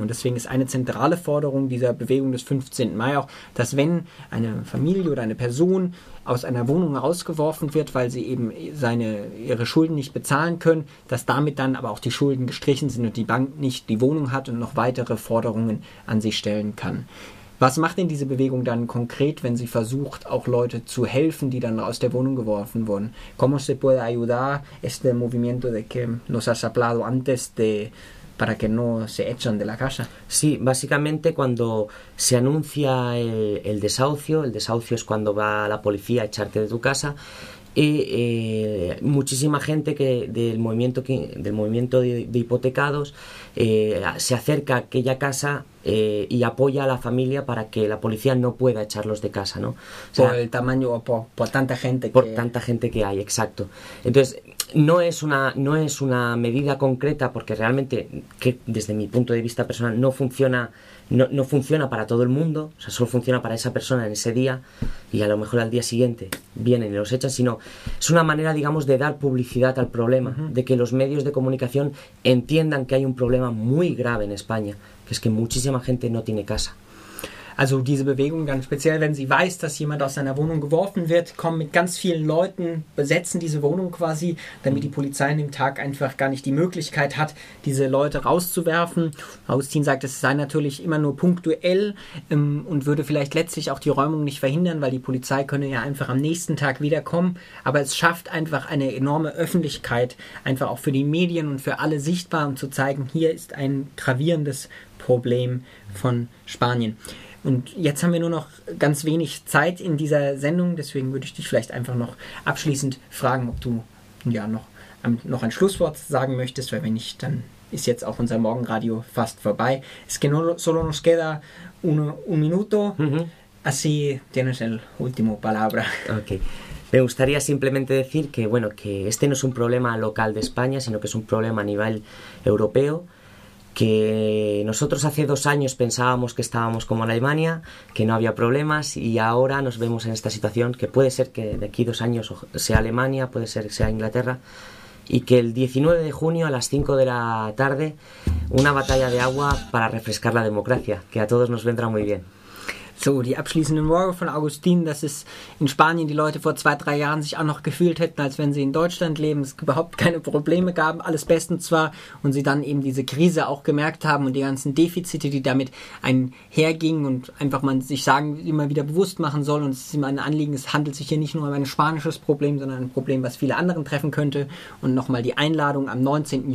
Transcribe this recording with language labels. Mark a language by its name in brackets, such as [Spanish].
[German] Und deswegen ist eine zentrale Forderung dieser Bewegung des 15. Mai auch, dass wenn eine Familie oder eine Person aus einer Wohnung rausgeworfen wird, weil sie eben ihre Schulden nicht bezahlen können, dass damit dann aber auch die Schulden gestrichen sind und die Bank nicht die Wohnung hat und noch weitere Forderungen an sie stellen kann. Was macht denn diese Bewegung dann konkret, wenn sie versucht, auch Leute zu helfen, die dann aus der Wohnung geworfen wurden? [Spanish] ¿Cómo se puede ayudar este movimiento de que nos has hablado antes de para que no se echen de la casa? Sí, básicamente cuando se anuncia el desahucio es cuando va la policía a echarte de tu casa, y muchísima gente del movimiento de hipotecados se acerca a aquella casa y apoya a la familia para que la policía no pueda echarlos de casa, ¿no? O sea, por el tamaño o por tanta gente que... Por tanta gente que hay, exacto. Entonces, no es una medida concreta, porque realmente, que desde mi punto de vista personal, no funciona para todo el mundo. O sea, solo funciona para esa persona en ese día, y a lo mejor al día siguiente vienen y los echan, sino es una manera, digamos, de dar publicidad al problema, de que los medios de comunicación entiendan que hay un problema muy grave en España, que es que muchísima gente no tiene casa. [German] Also diese Bewegung ganz speziell, wenn sie weiß, dass jemand aus seiner Wohnung geworfen wird, kommen mit ganz vielen Leuten, besetzen diese Wohnung quasi, damit die Polizei an dem Tag einfach gar nicht die Möglichkeit hat, diese Leute rauszuwerfen. Augustin sagt, es sei natürlich immer nur punktuell und würde vielleicht letztlich auch die Räumung nicht verhindern, weil die Polizei könne ja einfach am nächsten Tag wiederkommen. Aber es schafft einfach eine enorme Öffentlichkeit, einfach auch für die Medien und für alle sichtbar, um zu zeigen, hier ist ein gravierendes Problem von Spanien. Und jetzt haben wir nur noch ganz wenig Zeit in dieser Sendung, deswegen würde ich dich vielleicht einfach noch abschließend fragen, ob du ja noch ein Schlusswort sagen möchtest, weil wenn nicht, dann ist jetzt auch unser Morgenradio fast vorbei. [Spanish] Es que solo nos queda un minuto, así tienes el último palabra. Okay. Me gustaría simplemente decir que, bueno, que este no es un problema local de España, sino que es un problema a nivel europeo, que nosotros hace 2 años pensábamos que estábamos como en Alemania, que no había problemas, y ahora nos vemos en esta situación, que puede ser que de aquí 2 años sea Alemania, puede ser que sea Inglaterra, y que el 19 de junio a las 5 de la tarde, una batalla de agua para refrescar la democracia, que a todos nos vendrá muy bien. [German] So, die abschließenden Worte von Augustin, dass es in Spanien die Leute vor 2-3 Jahren sich auch noch gefühlt hätten, als wenn sie in Deutschland leben, es überhaupt keine Probleme gab, alles bestens zwar, und sie dann eben diese Krise auch gemerkt haben und die ganzen Defizite, die damit einhergingen, und einfach man sich sagen, immer wieder bewusst machen soll, und es ist immer ein Anliegen, es handelt sich hier nicht nur um ein spanisches Problem, sondern ein Problem, was viele anderen treffen könnte, und nochmal die Einladung, am 19.